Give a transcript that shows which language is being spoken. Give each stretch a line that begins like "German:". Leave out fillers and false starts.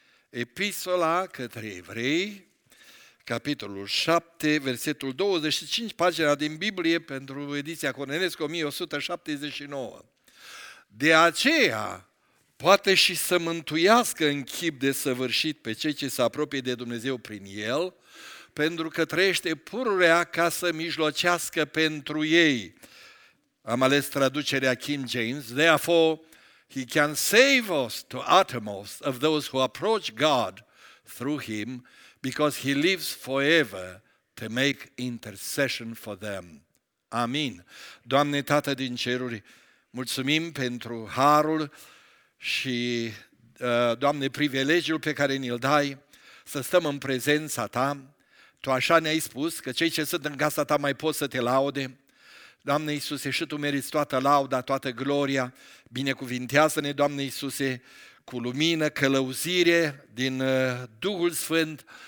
Romanian: Epistola către evrei, capitolul 7, versetul 25, pagina din Biblie pentru ediția Cornelescu, 1179. De aceea poate și să mântuiască în chip desăvârșit pe cei ce se apropie de Dumnezeu prin el, pentru că trăiește pururea ca să mijlocească pentru ei. Am ales traducerea King James.
English: Therefore, he can save us to uttermost of those who approach God through him, because he lives forever to make intercession for them.
Romanian: Amin. Doamne Tată din ceruri, mulțumim pentru harul și, Doamne, privilegiul pe care ni-l dai să stăm în prezența ta. Tu așa ne-ai spus că cei ce sunt în casa ta mai pot să te laude. Doamne Iisuse, și tu meriți toată lauda, toată gloria. Binecuvintează-ne, Doamne Iisuse, cu lumină, călăuzire din Duhul Sfânt.